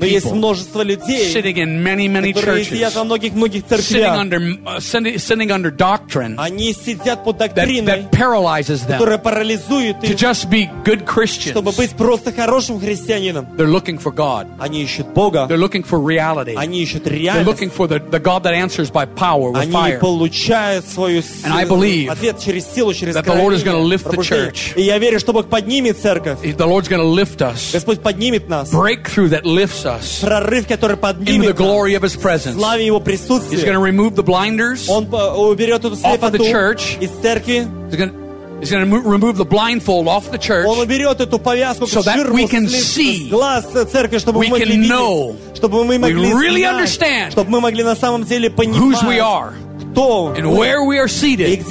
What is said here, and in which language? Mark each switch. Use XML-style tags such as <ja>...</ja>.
<ru>Но есть множество людей,</ru> <en>sitting in many, many</en> <ru>которые сидят во многих, многих церквях.</ru> <en>Sitting under doctrine</en> <ru>они сидят под доктриной,</ru> <en>that paralyzes them</en> <ru>которая парализует их,</ru> <en>to just be good Christians.</en> <ru>Чтобы быть просто хорошим христианином.</ru> <en>They're looking for God.</en> <ru>Они ищут Бога.</ru> <en>They're looking for reality.</en> <ru>Они ищут реальность.</ru> <en>They're looking for the God that answers by power, with</en> <ru>они</ru> <en>fire.</en> <ru>Получают свою</ru> <en>And I believe</en> <ru>ответ через силу, через</ru> <en>that the Lord is going to lift the church.</en> <ru>И я верю, что Бог поднимет церковь.</ru> <en>The Lord's going to lift us.</en> <ru>Господь поднимет нас.</ru> <en>Breakthrough that lifts us.</en> <ru>Прорыв, который поднимет</ru> <en>in the glory of His presence.</en> <ru>Славе Его присутствия.</ru> <en>He's going to remove the blinders off of the church. He's going to remove the blindfold off the church so that we can see, can know, we really understand whose we are and where we are seated.</en>